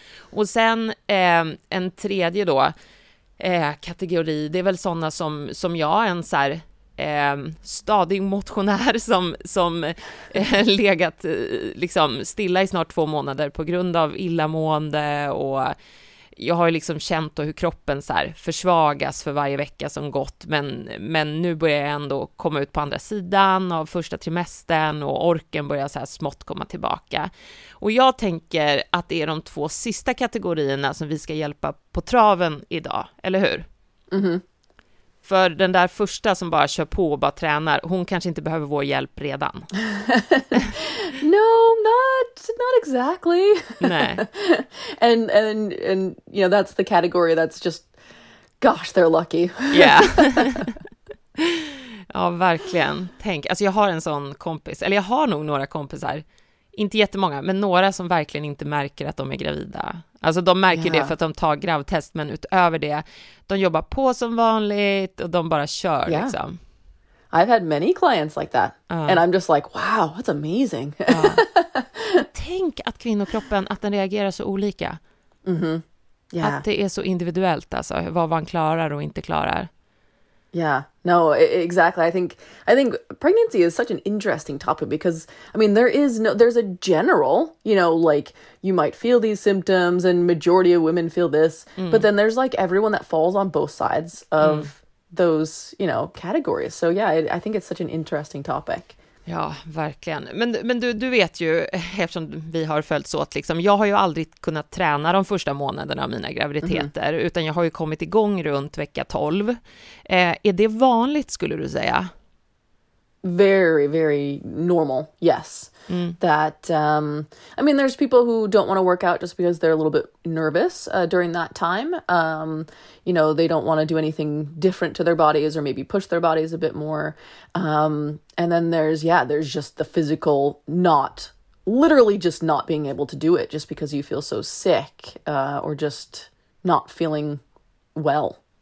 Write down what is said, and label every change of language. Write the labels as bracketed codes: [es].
[sv] Och sen en tredje då, kategori, det är väl sådana som jag, en så här stadig motionär som legat liksom stilla i snart 2 månader på grund av illamående, och jag har liksom känt hur kroppen så här försvagas för varje vecka som gått, men nu börjar jag ändå komma ut på andra sidan av första trimestern och orken börjar så här smått komma tillbaka. Och jag tänker att det är de 2 sista kategorierna som vi ska hjälpa på traven idag, eller hur? Mm-hmm. För den där första som bara kör på och bara tränar, hon kanske inte behöver vår hjälp redan. [en] No, not exactly. [sv] Nej. [en] and you know, that's the category that's just, gosh, they're lucky. Yeah. [sv] Ja, verkligen. Tänk, alltså jag har en sån kompis, eller jag har nog några kompisar. Inte jättemånga, men några som verkligen inte märker att de är gravida. Alltså de märker det för att de tar gravtest, men utöver det, de jobbar på som vanligt och de bara kör liksom. [en] I've had many clients like that. And I'm just like, wow, that's amazing. [sv] Tänk att kvinnokroppen, att den reagerar så olika. Mm-hmm. Yeah. Att det är så individuellt, alltså, vad man klarar och inte klarar. [en] Yeah, no, exactly. I think pregnancy is such an interesting topic because, I mean, there's a general, you know, like you might feel these symptoms and majority of women feel this, but then there's like everyone that falls on both sides of those, you know, categories. So yeah, I think it's such an interesting topic. [sv] Ja, verkligen. Men du vet ju, eftersom vi har följt så att liksom, jag har ju aldrig kunnat träna de första månaderna av mina graviditeter, utan jag har ju kommit igång runt vecka 12. Är det vanligt, skulle du säga? [en] Very, very normal, yes. That, I mean, there's people who don't want to work out just because they're a little bit nervous during that time. You know, they don't want to do anything different to their bodies or maybe push their bodies a bit more. And then there's just the physical not, literally just not being able to do it just because you feel so sick or just not feeling well.